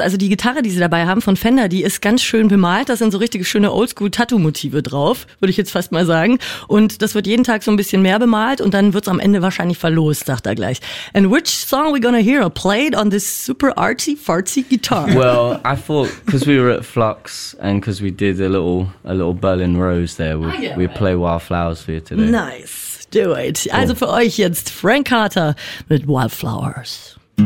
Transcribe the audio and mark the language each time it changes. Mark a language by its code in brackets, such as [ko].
[de] Also die Gitarre, die sie dabei haben von Fender, die ist ganz schön bemalt. Da sind so richtige schöne Oldschool-Tattoo-Motive drauf, würde ich jetzt fast mal sagen. Und das wird jeden Tag so ein bisschen mehr bemalt und dann wird's am Ende wahrscheinlich verlost, sagt er gleich. [en] And which song are we going to hear played on this super artsy-fartsy guitar? Well, I thought, because we were at Flux and because we did a little Berlin Rose there, we play Wildflowers for you today. Nice. Do it. Cool. [de] Also für euch jetzt Frank Carter mit Wildflowers.